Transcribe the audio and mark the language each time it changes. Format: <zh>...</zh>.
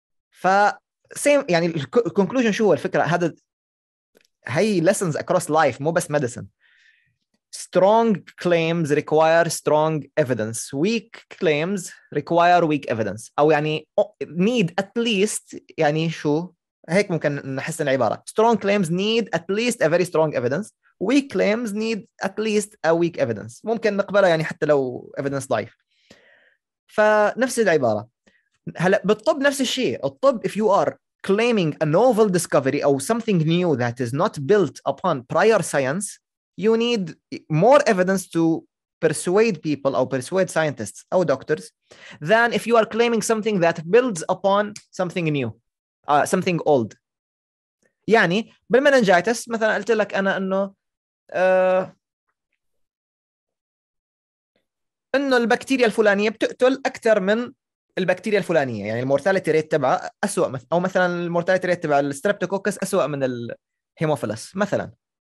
<ar>ف سيم يعني الكونكلوجن شو الفكره هذا هي</ar> <en>lessons across life</en> <ar>مو بس medicine.</ar> <en>Strong claims require strong evidence. Weak claims require weak evidence.</en> <ar>أو يعني</ar> <en>need at least</en> <ar>يعني شو هيك ممكن نحسن العبارة.</ar> <en>Strong claims need at least a very strong evidence. Weak claims need at least a weak evidence.</en> <ar>ممكن نقبلها يعني حتى لو evidence ضعيف. فنفس العبارة. هلا بالطب نفس الشيء.</ar> <en>الطب if you are claiming a novel discovery or something new that is not built upon prior science. You need more evidence to persuade people or persuade scientists or doctors than if you are claiming something that builds upon something new, something old.</en> <ar>يعني بالمننجايتس مثلا قلت لك أنا أنه أنه البكتيريا الفلانية بتقتل أكثر من البكتيريا الفلانية, يعني المورتاليتي ريت تبعها أسوأ, أو مثلا المورتاليتي ريت تبع الستريبتوكوكس أسوأ من الهيموفيلس مثلا.</ar>